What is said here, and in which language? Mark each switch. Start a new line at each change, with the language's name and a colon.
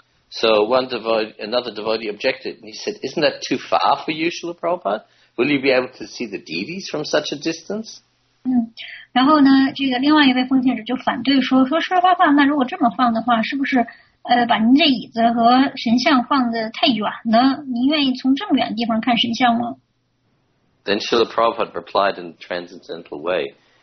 English: So one devotee, another devotee objected, and he said, "Isn't that too far for you, Srila Prabhupada? Will you be able to see the deities from such a distance?"
Chinese: 然后呢，这个另外一位奉献者就反对说，舍尔帕帕，那如果这么放的话，是不是把您这椅子和神像放的太远了？您愿意从这么远的地方看神像吗？
English: Then Srila Prabhupada replied in a transcendental way.